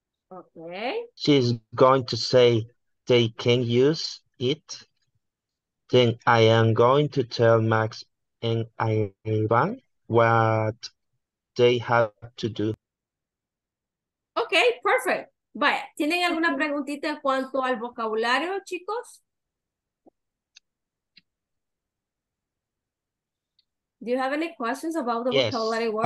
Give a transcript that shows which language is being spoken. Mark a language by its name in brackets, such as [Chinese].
[English] Okay. She's going to say they can use it. Then I am going to tell Max and Ivan what they have to do. Okay, perfect. [Spanish] Vaya, ¿tienen alguna preguntita en cuanto al vocabulario, chicos? [English] Do you have any questions about the vocabulary words?